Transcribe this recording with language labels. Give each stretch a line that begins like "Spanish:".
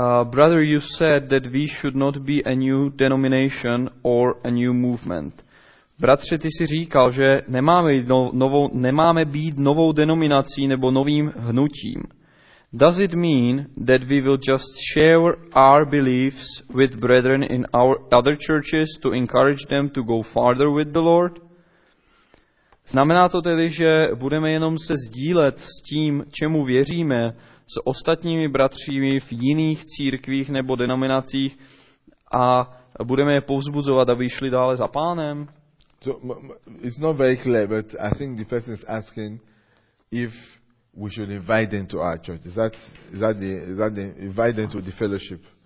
English: Brother, you said that we should not be a new denomination or a new movement.
Czech: Bratře, ty jsi říkal, že nemáme být novou denominací nebo novým hnutím.
English: Does it mean that we will just share our beliefs with brethren in our other churches to encourage them to go farther with the Lord?
Czech: Znamená to tedy, že budeme jenom se sdílet s tím, čemu věříme, s ostatními bratřími v jiných církvích nebo denominacích a budeme je povzbuzovat, aby šli dále za Pánem.
English: So, it's not very clear, but I think the person is asking if we should invite them to our church. Is that the invite them to the fellowship?